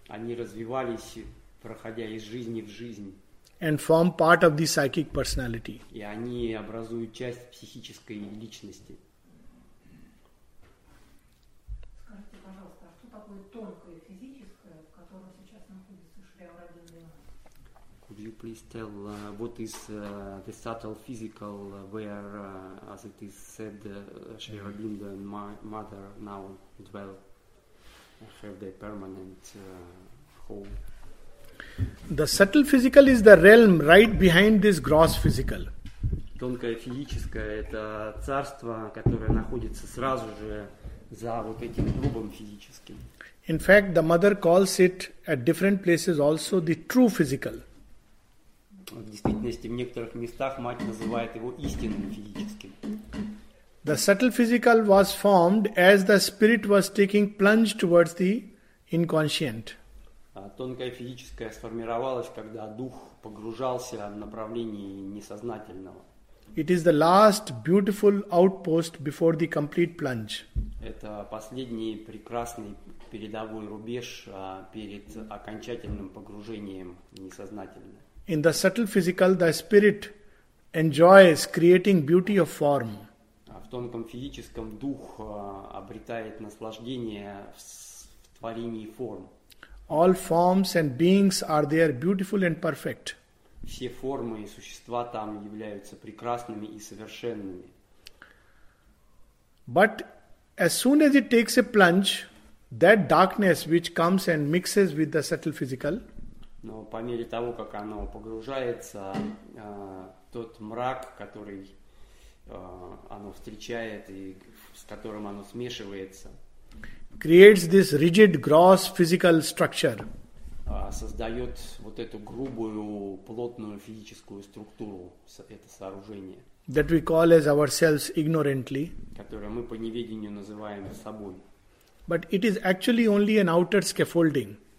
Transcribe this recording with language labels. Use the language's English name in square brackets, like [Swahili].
[Russian] Они развивались, проходя из жизни в жизнь. [English] And form part of the psychic personality. [Russian] И они образуют часть психической личности. Скажите, пожалуйста, а что такое тонкое физическое, в котором сейчас находится Шри Аурабиндранатх? [English] Could you please tell what is the subtle physical where, as it is said, Шри Аурабиндранатх mother now dwell, have the permanent home? The subtle physical is the realm right behind this gross physical. [Russian] Тонкое физическое – это царство, которое находится сразу же за вот этим грубым физическим. [English] In fact, the mother calls it at different places also the true physical. [Russian] В действительности, в некоторых местах мать называет его истинным физическим. [English] The subtle physical was formed as the spirit was taking plunge towards the inconscient. [Russian] Тонкое физическое сформировалось, когда дух погружался в направлении несознательного. [English] It is the last beautiful outpost before the complete plunge. [Russian] Это последний прекрасный передовой рубеж перед окончательным погружением несознательное. [English] In the subtle physical, the spirit enjoys creating beauty of form. [Russian] В тонком физическом дух обретает наслаждение в творении форм. [English] All forms and beings are there beautiful and perfect. [Russian] Все формы и существа там являются прекрасными и совершенными. [English] But as soon as it takes a plunge, that darkness which comes and mixes with the subtle physical. [Russian] Но по мере того, как оно погружается, тот мрак, который оно встречает и с которым оно смешивается. [English] Creates this rigid, gross physical structure. [Russian] Создает вот эту грубую, плотную физическую структуру, это сооружение. [English] That we call as ourselves ignorantly. [Russian] Которое мы по неведению называем собой. [English] But it is actually only an outer scaffolding.